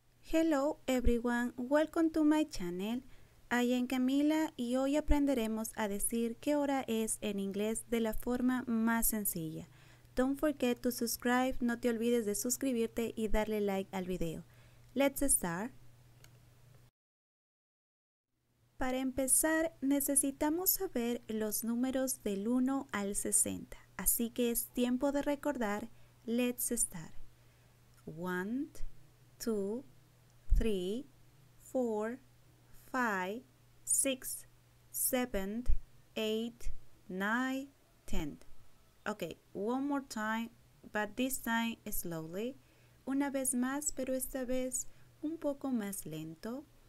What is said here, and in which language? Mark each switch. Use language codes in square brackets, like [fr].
[en] Hello everyone, welcome to my channel. I am [es] Camila y hoy aprenderemos a decir qué hora es en inglés de la forma más sencilla. [en] Don't forget to subscribe, [es] no te olvides de suscribirte y darle like al video. [en] Let's start. [es] Para empezar, necesitamos saber los números del 1 al 60, así que es tiempo de recordar. [en] Let's start. 1, 2, 3, 4, 5, 6, 7, 8, 9, 10. Okay, one more time, but this time slowly. [es] Una vez más, pero esta vez un poco más lento.